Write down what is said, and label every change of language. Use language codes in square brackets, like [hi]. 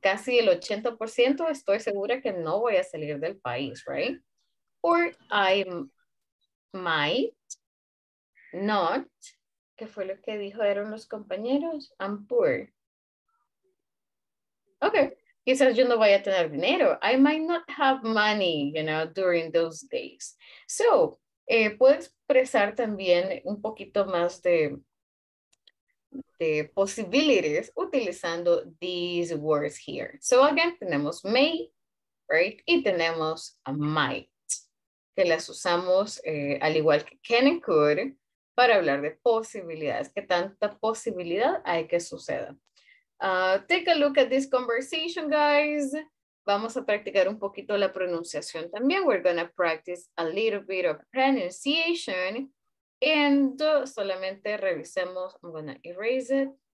[es] Casi el 80% estoy segura que no voy a salir del país, right? [en] Or I might not. [es] ¿Qué fue lo que dijeron los compañeros? [en] I'm poor. [es] Okay, quizás yo no voy a tener dinero. [en] I might not have money, you know, during those days. [es] So, puedo expresar también un poquito más de possibilities utilizando [en] these words here. [es] So, again, tenemos may, right? Y tenemos might, que las usamos al igual que can and could para hablar de posibilidades, que tanta posibilidad hay que suceda. [en] Take a look at this conversation, guys. [es] Vamos a practicar un poquito la pronunciación también. [en] We're going to practice a little bit of pronunciation. And [es] solamente revisemos, [en] I'm going to erase it.